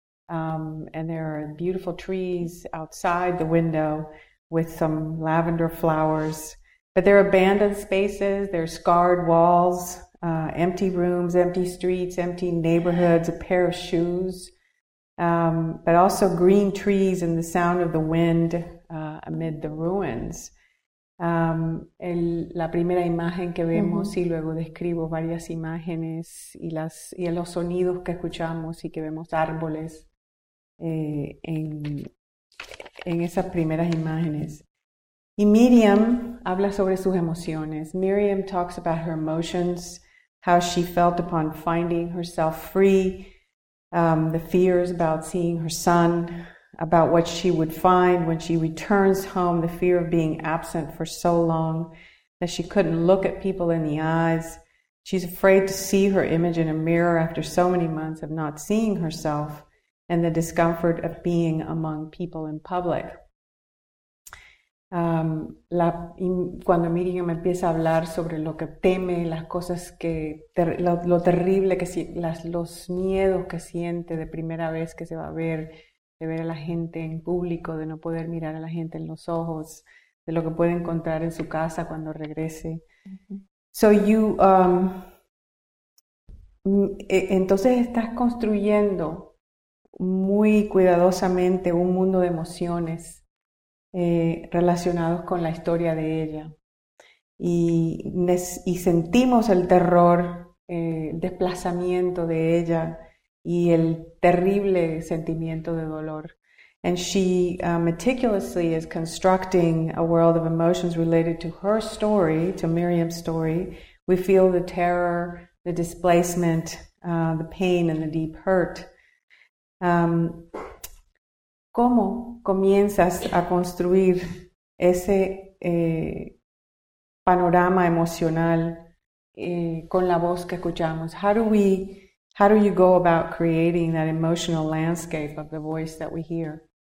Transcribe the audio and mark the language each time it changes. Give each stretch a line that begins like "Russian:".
English: And there are beautiful trees outside the window with some lavender flowers. But there are abandoned spaces, there are scarred walls, empty rooms, empty streets, empty neighborhoods, a pair of shoes, but also green trees and the sound of the wind amid the ruins.
Spanish: La primera imagen que vemos, y luego describo varias imágenes y los sonidos que escuchamos y que vemos árboles. En esas primeras imágenes. Y Miriam habla sobre sus emociones.
English: Miriam talks about her emotions, how she felt upon finding herself free, the fears about seeing her son, about what she would find when she returns home, the fear of being absent for so long that she couldn't look at people in the eyes. She's afraid to see her image in a mirror after so many months of not seeing herself, and the discomfort of being among people in public.
Spanish: Cuando Miriam empieza a hablar sobre lo que teme, las cosas que lo terrible que los miedos que siente de primera vez que se va a ver, de ver a la gente en público, de no poder mirar a la gente en los ojos, de lo que puede encontrar en su casa cuando regrese. Mm-hmm.
English: So you
Spanish: entonces estás construyendo muy cuidadosamente un mundo de emociones relacionados con la historia de ella. y sentimos el terror, desplazamiento de ella y el terrible sentimiento de dolor.
English: And she meticulously is constructing a world of emotions related to her story, to Miriam's story. We feel the terror, the displacement, the pain, and the deep hurt.
Spanish: ¿Cómo comienzas a construir ese panorama emocional con la voz que escuchamos?
English: How do you go about creating that emotional landscape of the voice that we hear?